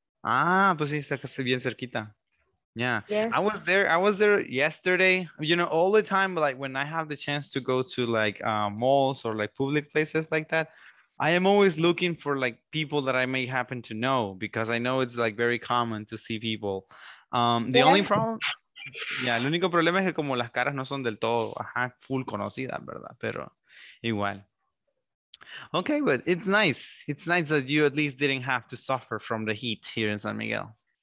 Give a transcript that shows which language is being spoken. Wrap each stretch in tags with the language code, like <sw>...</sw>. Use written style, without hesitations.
<es>Ah, pues sí, está bien cerquita. Yeah. Yes.</es> <en>I was there yesterday, you know, all the time, like when I have the chance to go to like malls or like public places like that, I am always looking for like people that I may happen to know, because I know it's like very common to see people. The only problem...</en> <es>Yeah, el único problema es que como las caras no son del todo full conocidas, ¿verdad? Pero igual.</es> <en>Okay, but it's nice. It's nice that you at least didn't have to suffer from the heat here in San Miguel.</en>